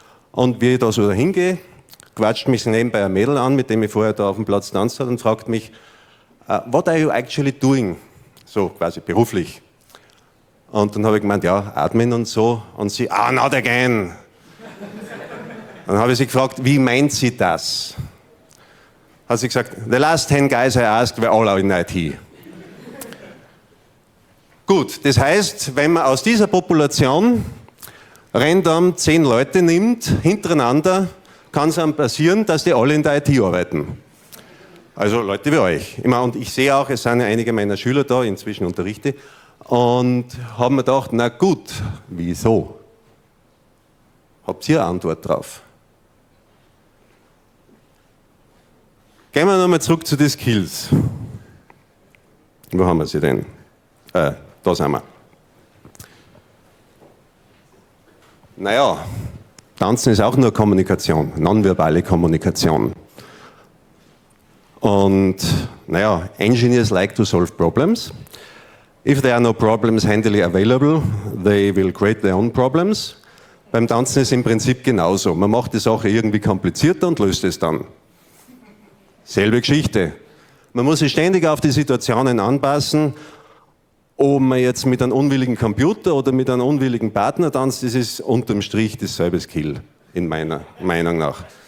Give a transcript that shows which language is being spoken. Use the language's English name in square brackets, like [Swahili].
[German] Und wie ich da so hingehe, quatscht mich nebenbei ein Mädel an, mit dem ich vorher da auf dem Platz tanzt habe, und fragt mich, [English] what are you actually doing? [German] So quasi beruflich. Und dann habe ich gemeint, ja, Admin und so. Und sie, [English] ah, not again. [German] Dann habe ich sie gefragt, wie meint sie das? Hat sie gesagt, [English] the last 10 guys I asked were all in IT. [German] Gut, das heißt, wenn man aus dieser Population random 10 Leute nimmt, hintereinander, kann es einem passieren, dass die alle in der IT arbeiten. Also Leute wie euch. Ich meine, und ich sehe auch, es sind ja einige meiner Schüler da, inzwischen unterrichte, und haben mir gedacht, na gut, wieso? Habt ihr eine Antwort drauf? Gehen wir nochmal zurück zu den Skills. Wo haben wir sie denn? Da sind wir. Naja, Tanzen ist auch nur Kommunikation, nonverbale Kommunikation. Und naja, [English] Engineers like to solve problems. If there are no problems handily available, they will create their own problems. [German] Beim Tanzen ist es im Prinzip genauso. Man macht die Sache irgendwie komplizierter und löst es dann. Selbe Geschichte. Man muss sich ständig auf die Situationen anpassen. Ob man jetzt mit einem unwilligen Computer oder mit einem unwilligen Partner tanzt, das ist unterm Strich dasselbe Skill, in meiner Meinung nach.